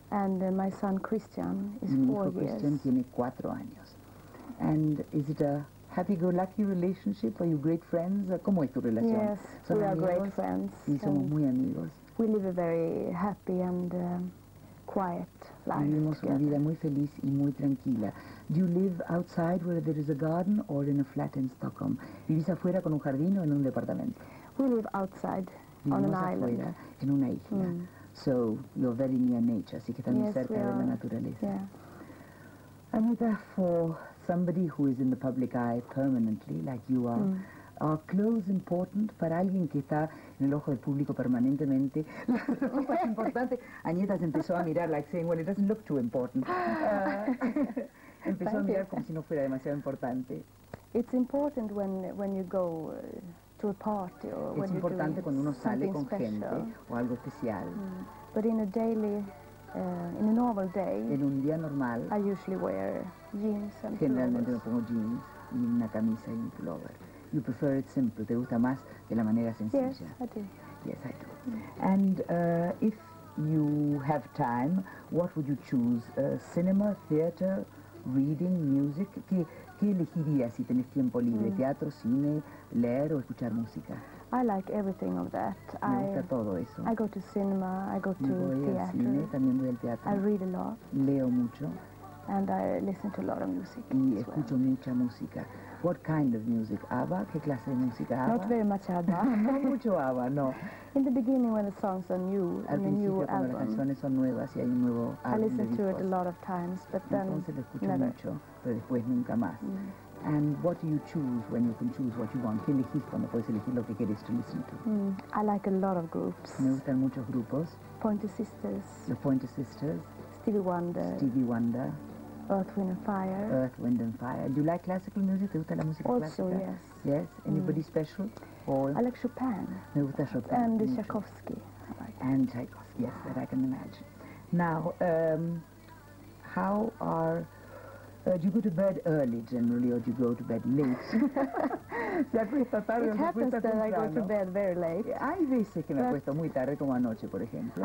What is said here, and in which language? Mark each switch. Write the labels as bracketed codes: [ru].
[en] And my son Christian is 4 years. [es] Mi hijo Christian tiene 4 años. [en] And is it a happy-go-lucky relationship? Are you great friends? [es] ¿Cómo es tu relación? [en] Yes, we are great friends. [es] Y somos muy amigos. [en] We live a very happy and quiet life. [es] Vivimos una vida muy feliz y muy tranquila. [en] Do you live outside where there is a garden or in a flat in Stockholm? [es] ¿Vivís afuera con un jardín o en un departamento? [en] We live outside on an island. [es] En una isla. Mm. [en] So you're very near nature, [es] así que también [en] yes, [es] cerca de la naturaleza. [en] Yeah. Agnetha, for somebody who is in the public eye permanently, like you are, are clothes important? [es] Para alguien que está en el ojo del público permanentemente, la ropa es importante. Agnetha se empezó a mirar [en] like saying, well, it doesn't look too important. [es] Empezó a mirar como si no fuera demasiado importante. [en] It's important when you go to a party or [es] es importante cuando uno sale con gente o algo especial. [en] But in a daily, in a normal day, [es] en un día normal, [en] I usually wear jeans and [es] generalmente me pongo jeans y una camisa y un pullover. [en] You prefer it simple. [es] ¿Te gusta más de la manera sencilla? [en] Yes, I do. Yes, I do. And if you have time, what would you choose? Cinema, theater, reading, music? [es] ¿Qué elegirías si tenés tiempo libre? ¿Teatro, cine, leer o escuchar música? [en] I like everything of that. [es] Me gusta todo eso. [en] I go to cinema, I go [es] me [en] to theater. [es] Al cine, también voy al teatro. [en] I read a lot. [es] Leo mucho. [en] And I listen to a lot of music. [es] Y escucho mucha música. [en] What kind of music? [es] ABBA? ¿Qué clase de música? ABBA? [en] Not very much ABBA. [es] No mucho ABBA, no. [en] In the beginning when the songs are new, [es] al [en] in a new album. [es] Las canciones son nuevas y hay un nuevo [en] I listen to it a lot of times, but then [es] entonces lo escucho [en] never. [es] Mucho, pero después nunca más. Mm. [en] And what do you choose when you can choose what you want? [es] ¿Qué elegís cuando puedes elegir lo que quieres [en] to listen to? I like a lot of groups. [es] Me gustan muchos grupos. [en] Pointer Sisters. The Pointer Sisters. Stevie Wonder. Stevie Wonder. Earth, Wind and Fire. Earth, Wind and Fire. Do you like classical music? [es] ¿Te gusta la música [en] also, [es] clásica? [en] Yes. Yes? Anybody special? Or I like Chopin. [es] Me gusta Chopin. [en] And [es] mucho. [en] Tchaikovsky. I like and Tchaikovsky, yes, that I can imagine. Now, how are... do you go to bed early, generally, or do you go to bed late? It happens that I go to bed very late. [es] Hay veces que me acuesto muy tarde, como anoche, por ejemplo.